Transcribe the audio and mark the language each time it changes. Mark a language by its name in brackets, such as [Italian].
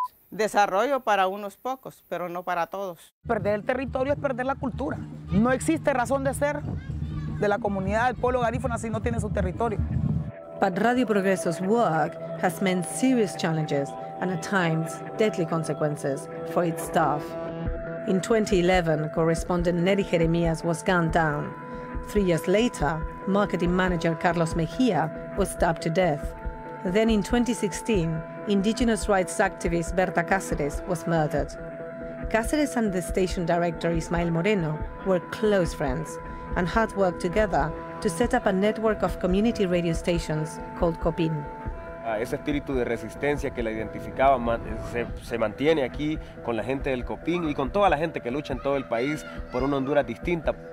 [Spanish] desarrollo para unos pocos, pero no para todos. Perder el territorio es perder la cultura. No existe razón de ser de la comunidad, del pueblo garífuna, si no tiene su territorio. [English] But Radio Progreso's work has meant serious challenges and at times deadly consequences for its staff. In 2011, correspondent Nery Jeremias was gunned down. 3 years later, marketing manager Carlos Mejia was stabbed to death. Then in 2016, indigenous rights activist Berta Cáceres was murdered. Cáceres and the station director Ismael Moreno were close friends and had worked together to set up a network of community radio stations called COPIN. [Spanish] Ese espíritu de resistencia que la identificaba se mantiene aquí con la gente del COPIN y con toda la gente que lucha en todo el país por una Honduras distinta.